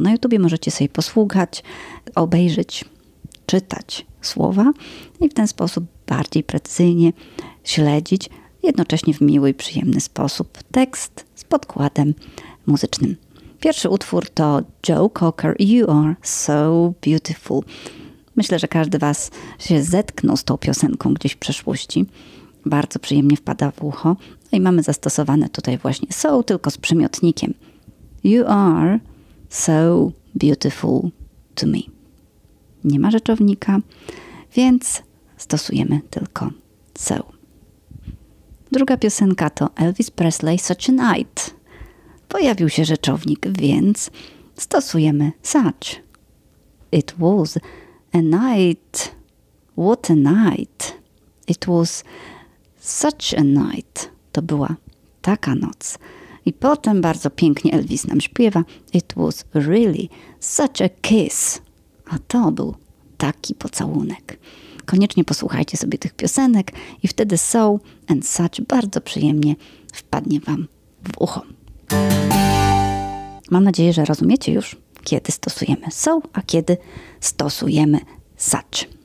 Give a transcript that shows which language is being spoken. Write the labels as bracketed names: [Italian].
[Polish] Na YouTubie możecie sobie posłuchać, obejrzeć, czytać słowa i w ten sposób bardziej precyzyjnie śledzić, jednocześnie w miły i przyjemny sposób, tekst z podkładem muzycznym. Pierwszy utwór to Joe Cocker, You Are So Beautiful. Myślę, że każdy was się zetknął z tą piosenką gdzieś w przeszłości. Bardzo przyjemnie wpada w ucho. No i mamy zastosowane tutaj właśnie so, tylko z przymiotnikiem. [English] You are so beautiful to me. [Polish] Nie ma rzeczownika, więc stosujemy tylko so. Druga piosenka to Elvis Presley, Such a Night. Pojawił się rzeczownik, więc stosujemy such. [English] It was a night. What a night. It was such a night. [Polish] To była taka noc. I potem bardzo pięknie Elvis nam śpiewa. [English] It was really such a kiss. [Polish] A to był taki pocałunek. Koniecznie posłuchajcie sobie tych piosenek i wtedy so and such bardzo przyjemnie wpadnie wam w ucho. Mam nadzieję, że rozumiecie już, kiedy stosujemy so, a kiedy stosujemy such.